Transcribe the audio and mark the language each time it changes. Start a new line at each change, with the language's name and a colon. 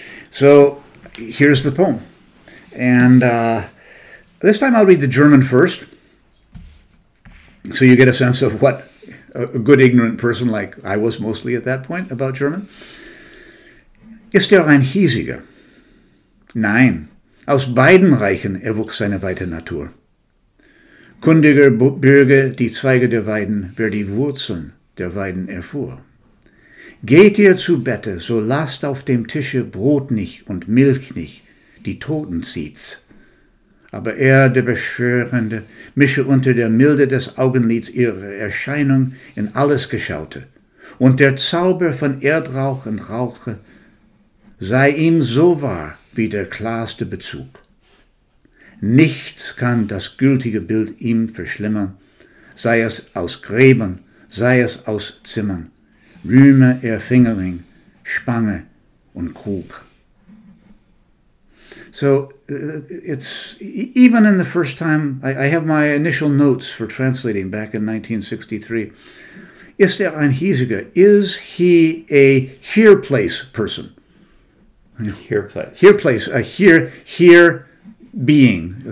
English: So here's the poem. And this time I'll read the German first, so you get a sense of what a good ignorant person like I was mostly at that point about German.
German: Ist ein hiesiger? Nein. Aus beiden Reichen erwuchs seine weite Natur. Kundiger Bürger, die Zweige der Weiden, wer die Wurzeln der Weiden erfuhr. Geht ihr zu Bette, so lasst auf dem Tische Brot nicht und Milch nicht, die Toten zieht's. Aber der Beschwörende, mische unter der Milde des Augenlids ihre Erscheinung in alles Geschaute, und der Zauber von Erdrauch und Rauche sei ihm so wahr wie der klarste Bezug. Nichts kann das gültige Bild ihm verschlimmern, sei es aus Gräbern, sei es aus Zimmern, rühme er Fingering, Spange und Krug.
English: So it's even in the first time, I have my initial notes for translating back in 1963.
German: Ist ein hiesiger?
English: Is he a here place person? Here place. Here place, a here being.